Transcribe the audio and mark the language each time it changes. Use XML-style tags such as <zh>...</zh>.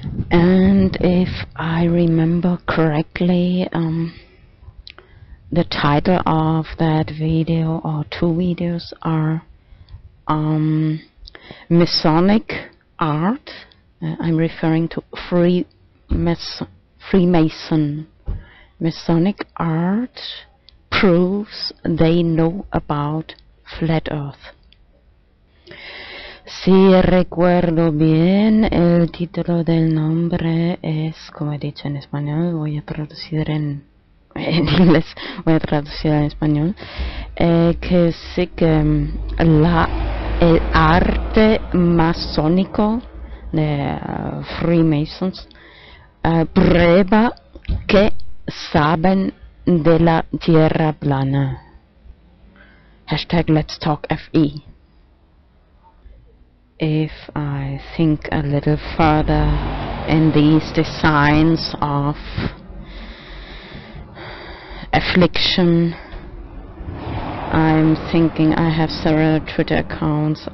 <en>And if I remember correctly, the title of that video or two videos are Masonic art. I'm referring to Freemason. Masonic art proves they know about flat earth.</en> <es>Si recuerdo bien, el título del nombre es, como he dicho en español, voy a traducir en inglés, voy a traducir en español, que sí que el arte masónico de Freemasons prueba que saben de la Tierra plana.</es> <en>Hashtag Let's Talk FE. If I think a little further in these designs of affliction, I'm thinking I have several Twitter accounts.</en>